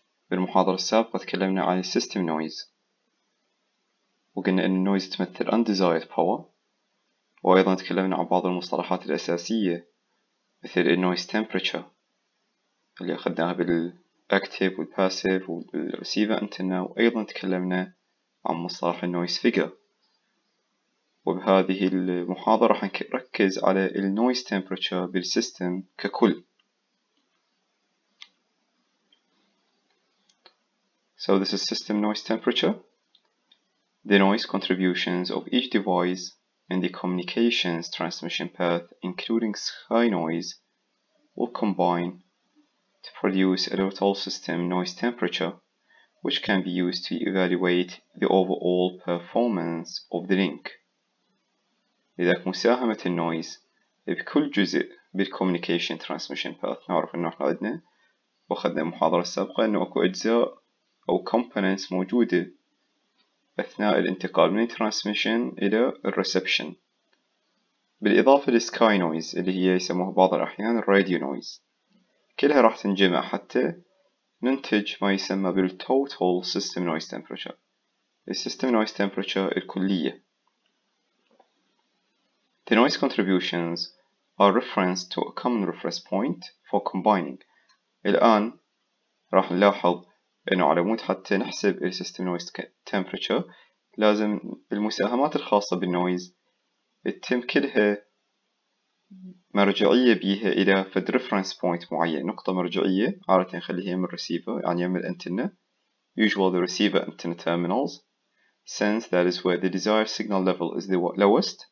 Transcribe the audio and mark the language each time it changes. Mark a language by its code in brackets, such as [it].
[ar] بالمحاضرة السابقة تكلمنا عن الـ System Noise وقلنا إن النويز تمثل Undesired Power، وأيضا تكلمنا عن بعض المصطلحات الأساسية مثل الـ Noise Temperature اللي أخذناها بالـ Active والـ Passive والـ Receiver Antenna، وأيضا تكلمنا عن مصطلح النويز فيجر. وبهذه المحاضرة راح نركز على النويز تمبرتشر بالسيستم ككل. [en] So this is system noise temperature. The noise contributions of each device in the communications transmission path, including sky noise, will combine to produce a total system noise temperature, which can be used to evaluate the overall performance of the link. [ar] إذاك مساهمة النويز بكل جزء بالcommunication transmission path، نعرف إنه إحنا عدنا وأخذنا المحاضرة السابقة إنه أكو أجزاء أو components موجودة أثناء الانتقال من transmission إلى reception، بالإضافة للsky noise اللي هي يسموها بعض الأحيان radio noise، كلها راح تنجمع حتى ننتج ما يسمى بال total system noise temperature، ال system noise temperature الكلية. [en] The noise contributions are referenced to a common reference point for combining. [ar] الآن راح نلاحظ إنه على مود حتى نحسب ال system noise temperature لازم المساهمات الخاصة بالنويز يتم كلها مرجعية بيها إلى فد reference point معين، نقطة مرجعية عادة نخليها من receiver يعني من الأنتنة، [en] usually the receiver antenna terminals since that is where the desired signal level is the lowest.